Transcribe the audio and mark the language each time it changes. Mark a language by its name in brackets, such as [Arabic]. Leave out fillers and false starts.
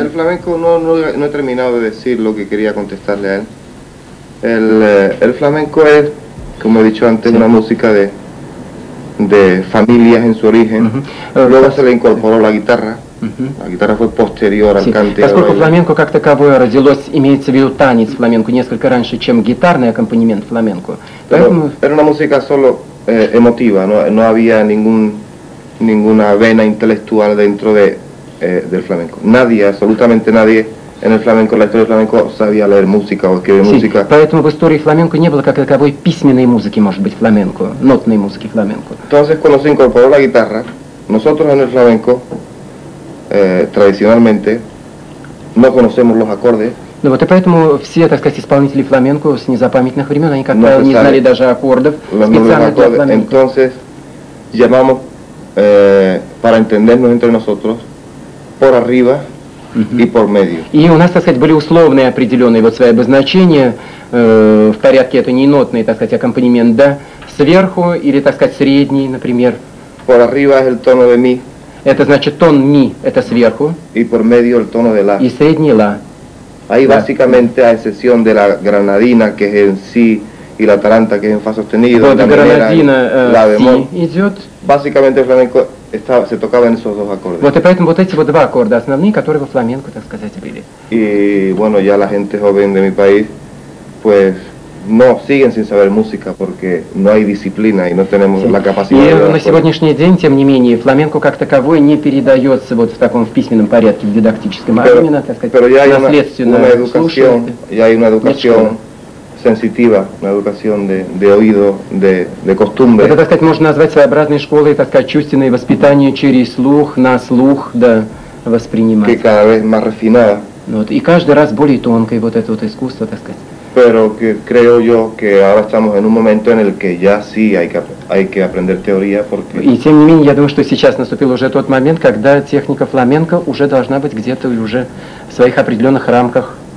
[Spanish] El flamenco, no he terminado de decir lo que quería contestarle a él. El flamenco es, como he dicho antes, sí, una música de familias en su origen. Uh-huh. Luego se le incorporó la guitarra. Uh-huh. La guitarra fue posterior al canto. [Russian] Поскольку фламенко как таковое родилось, имеется в виду танец фламенко несколько раньше, чем гитарный аккомпанемент фламенко. [Spanish] Era una música solo emotiva, no había ninguna vena intelectual dentro de del flamenco. Nadie, absolutamente nadie en el flamenco, la historia del flamenco, sabía leer música o escribir música. [Russian] Поэтому в истории фламенко не было как таковой письменной музыки, может быть, фламенко, нотной музыки фламенко. [Spanish] Entonces, cuando se incorporó la guitarra, nosotros en el flamenco tradicionalmente no conocemos los acordes. [Russian] Ну вот и поэтому все, так сказать, исполнители фламенко с незапамятных времен, они как-то не знали даже аккордов специально для фламенко. [Spanish] Entonces, llamamos para entendernos entre nosotros por arriba y por medio. [Russian] И у нас, так сказать, были условные определенные вот свои обозначения в порядке, это не нотный, так сказать, аккомпанемент, да, сверху или, так сказать, средний, например. [Spanish] Por arriba es el tono de mi. [Russian] Это значит тон ми, это сверху. [Spanish] Y por medio el tono de la. [Russian] И средний ла. [Spanish] Ahí la, básicamente, a excepción de la granadina, que es en si, y la taranta, que es en fa sostenido, la granadina, la bemol, [Russian] si, идет. [Spanish] Básicamente el flamenco se tocaba en esos dos acordes. [Russian] Вот, и поэтому вот эти вот два аккорда основные, которые во фламенко, так сказать, были. [Spanish] Y bueno, ya la gente joven de mi país, pues, no, siguen sin saber música, porque no hay disciplina y no tenemos la capacidad. Y de [Russian] на сегодняшний день, тем не менее, фламенко как таковое не передается вот в таком в письменном порядке, в дидактическом, [Spanish] pero, [Russian] а именно, так сказать, наследственно слушают. [Spanish] Ya hay una educación sensitiva, una educación de oído, de costumbre. [Russian] Это, так сказать, можно назвать своеобразной школой, так сказать, чувственное воспитание через слух, на слух, да, воспринимать. [Spanish] Que cada vez más refinada. [Russian] Вот, и каждый раз более тонкое вот это вот искусство, так сказать. [Spanish] Pero que creo yo que ahora estamos en un momento en el que ya sí hay que aprender teoría, porque... [Russian] Y, тем не менее, я думаю, что сейчас наступил уже тот момент, когда техника фламенко уже должна быть где-то уже в своих определенных рамках,